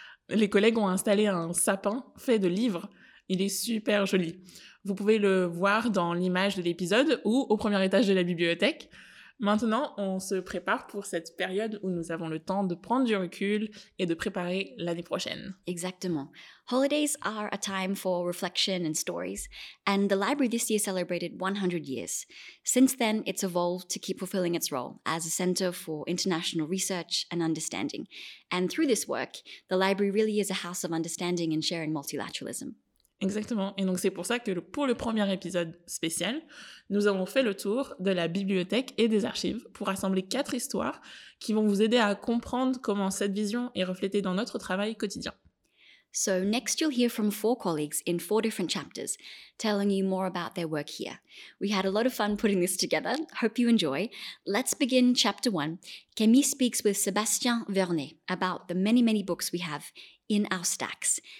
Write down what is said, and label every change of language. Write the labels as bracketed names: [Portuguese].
[French] Les collègues ont installé un sapin fait de livres. Il est super joli. Vous pouvez le voir dans l'image de l'épisode ou au premier étage de la bibliothèque. Maintenant, on se prépare pour cette période où nous avons le temps de prendre du recul et de préparer l'année prochaine. Exactement. [English] Holidays are a time for reflection and stories, and the library this year celebrated 100 years. Since then, it's evolved to keep fulfilling its role as a center for international research and understanding. And through this work, the library really is a house of understanding and sharing multilateralism. [French] Exactement. Et donc, c'est pour ça que pour le premier épisode spécial, nous avons fait le tour de la bibliothèque et des archives pour rassembler 4 histoires qui vont vous aider à comprendre comment cette vision est reflétée dans notre travail quotidien. [English] So next you'll hear from 4 colleagues in 4 different chapters telling you more about their work here. We had a lot of fun putting this together. Hope you enjoy. Let's begin chapter 1. Camille speaks with Sébastien Vernet about the many, many books we have in our stacks.